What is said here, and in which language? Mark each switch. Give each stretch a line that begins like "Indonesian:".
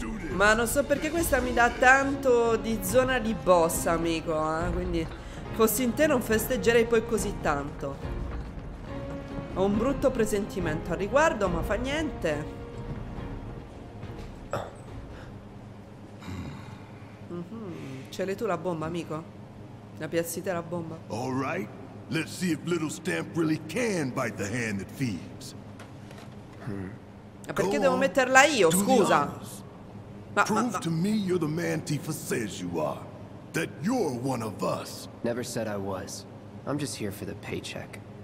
Italian: Ma non so perché questa mi dà tanto di zona di boss, amico, quindi fossi in te non festeggerei poi così tanto. Ho un brutto presentimento al riguardo, ma fa niente. Ce l'hai tu la bomba, amico? La piazzi te la bomba?
English: All right. Let's see if little Stamp really can bite the hand that feeds.
Italian: Ma perché devo metterla io, scusa?
English: Prove to me you're the man Tifa says you are. That you're one of us. Never said I was. I'm just here for the paycheck.